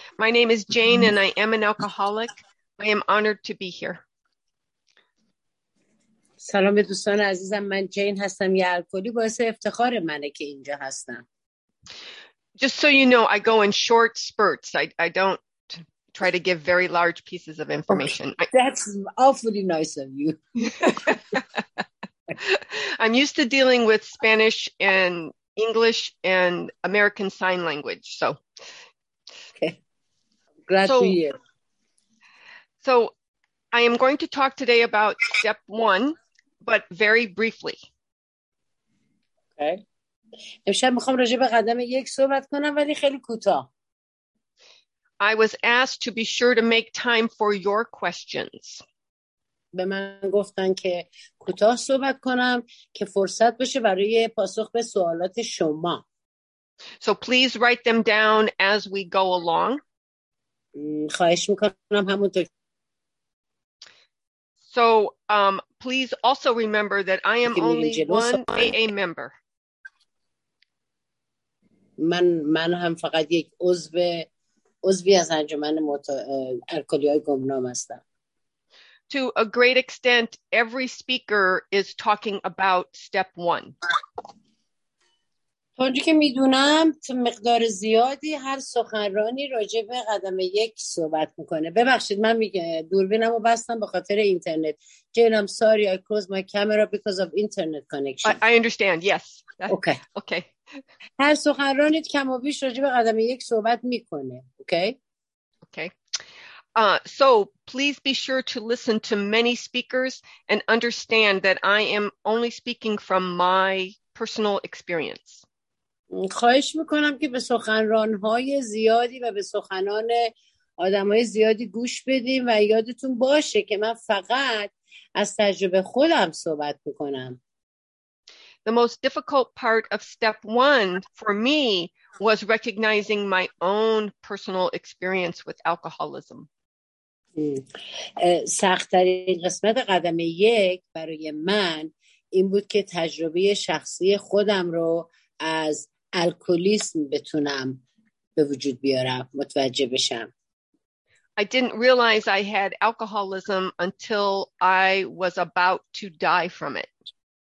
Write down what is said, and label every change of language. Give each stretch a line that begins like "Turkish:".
English: My name is Jane and I am an alcoholic. I am honored to be here.
Persian: سلام دوستان عزیزم، من جین هستم، یه الکلی. باعث افتخار منه که اینجا هستم.
English: Just so you know, I go in short spurts. I don't try to give very large pieces of information. That's awfully nice of you. I'm used to dealing with Spanish and English and American Sign Language. So, okay. Glad to hear. So I am going to talk today about step one, but very briefly. Okay.
Persian: امشب میخوام راجع به قدم یک صحبت کنم ولی خیلی کوتاه.
English: I was asked to be sure to make time for your questions.
Persian: به من گفتن که کوتاه صحبت کنم که فرصت بشه برای پاسخ به سوالات شما.
English: So please write them down as we go along.
Persian: خواهش میکنم همونطور.
English: So please also remember that I am only one AA member.
Persian: من هم فقط یک عضوی از انجمن الکلی‌های گمنام هستم.
English: To a great extent, every speaker is talking about step one.
Persian: تا اونجا که میدونم تو مقدار زیادی هر سخنرانی راجع به قدم یک صحبت میکنه. ببخشید من دوربینم رو بستم به خاطر اینترنت.
English: Jane, I'm sorry, I closed my camera because of internet connection. I understand, yes. Okay. Okay.
Persian: هر سخنرانی کم و بیش راجع به قدم یک صحبت میکنه.
English: Okay. Okay. So please be sure to listen to many speakers and understand that I am only speaking from my personal experience.
Persian: خواهش میکنم که به سخنرانهای زیادی و به سخنان آدمهای زیادی گوش بدیم و یادتون باشه که من فقط از تجربه خودم صحبت میکنم.
English: The most difficult part of step one for me was recognizing my own personal experience with alcoholism.
Persian: سخت‌ترین قسمت قدم یک برای من این بود که تجربه شخصی خودم رو از الکلیسم بتونم به وجود بیارم، متوجه بشم.
English: I didn't realize I had alcoholism until I was about to die from it.